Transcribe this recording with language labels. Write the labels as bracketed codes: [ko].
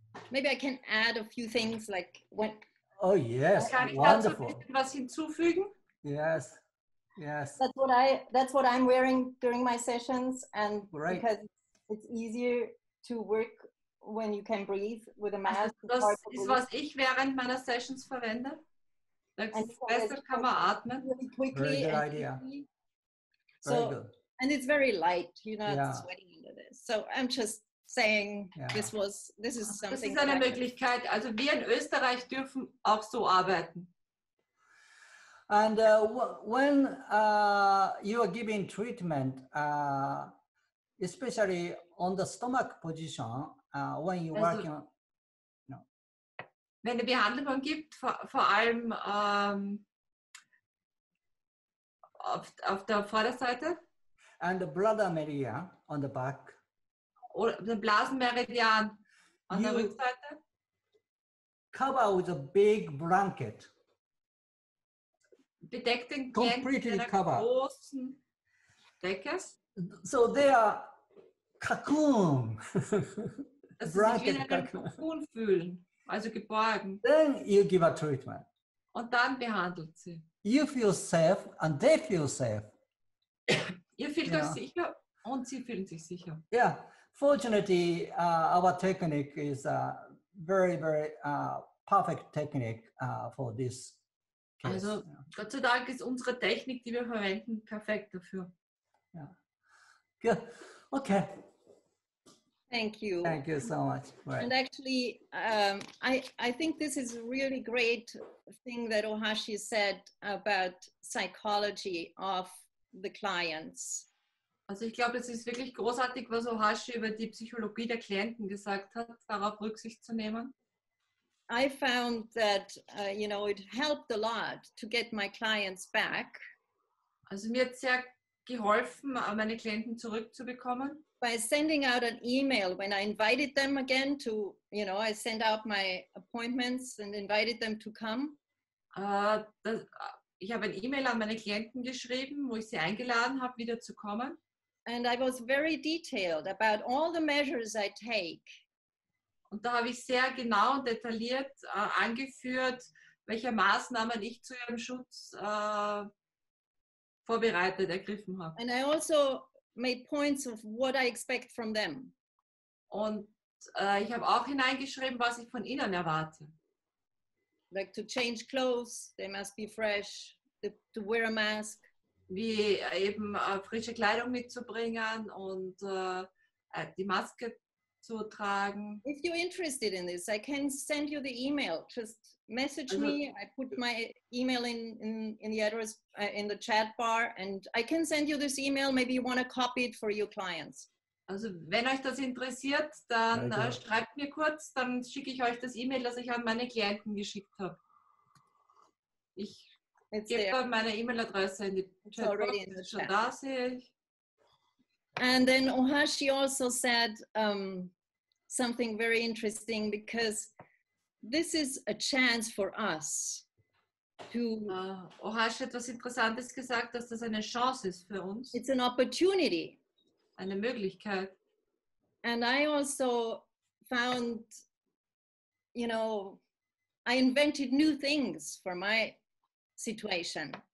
[en] Maybe I can add a few things, like when. Oh yes, [de] kann ich [en] wonderful. [de] Dazu ein bisschen was hinzufügen? [en] Yes. Yes. That's what I'm wearing during my sessions, and right. Because it's easier to work when you can breathe with a mask. [de] Das ist was ich während meiner Sessions verwende. Das besser kann man atmen. [en] Really quickly. Very good and idea. Very so good. And it's very light. You're not sweating under this. So I'm just saying this is something. [de] Das ist eine Möglichkeit. Also wir in Österreich dürfen auch so arbeiten. [en] And when you are giving treatment, especially on the stomach position, when you're working on... No. [de] Wenn eine Behandlung gibt, vor allem auf der Vorderseite. [en] And the bladder meridian on the back. [de] Oder [en] the [de] Blasenmeridian [en] on the [de] Rückseite. [en] Cover with a big blanket. [de] Bedeckt den Klienten mit einer großen Decke. [en] So they are cocoon. [de] Dass sie sich wie in einem Cocoon fühlen, also geborgen. [en] Then you give a treatment. [de] Und dann behandelt sie. [en] You feel safe and they feel safe. [de] Ihr fühlt euch sicher und sie fühlen sich sicher. [en] Yeah, fortunately our technique is a very, very perfect technique for this. [de] Also Gott sei Dank ist unsere Technik, die wir verwenden, perfekt dafür. Ja. [en] Good. Okay. Thank you. Thank you so much. Right. And actually, I think this is a really great thing that Ohashi said about psychology of the clients. [de] Also ich glaube, es ist wirklich großartig, was Ohashi über die Psychologie der Klienten gesagt hat, darauf Rücksicht zu nehmen. [en] I found that, you know, it helped a lot to get my clients back. [de] Also mir hat sehr geholfen, meine Klienten zurückzubekommen. [en] By sending out an email when I invited them again to, you know, I sent out my appointments and invited them to come. [de] Ich habe ein E-Mail an meine Klienten geschrieben, wo ich sie eingeladen habe, wieder zu kommen. [en] And I was very detailed about all the measures I take. [de] Und da habe ich sehr genau und detailliert angeführt, welche Maßnahmen ich zu ihrem Schutz vorbereitet, ergriffen habe. [en] And I also made points of what I expect from them. [de] Und ich habe auch hineingeschrieben, was ich von ihnen erwarte. [en] Like to change clothes, they must be fresh, to wear a mask. [de] Wie eben frische Kleidung mitzubringen und die Maske zu tragen. [en] If you're interested in this, I can send you the email. Just message me. I put my email in the address in the chat bar, and I can send you this email. Maybe you want to copy it for your clients. [de] Also wenn euch das interessiert, dann schreibt mir kurz, dann schicke ich euch das E-Mail, das ich an meine Klienten geschickt habe. Ich gebe dann meine E-Mail-Adresse in die Chatbox, da sehe ich. [en] And then Ohashi also said something very interesting, because this is a chance for us to... [de] Ohashi hat etwas Interessantes gesagt, dass das eine Chance ist für uns. [en] It's an opportunity. [de] Eine Möglichkeit. [en] And I also found, you know, I invented new things for my situation.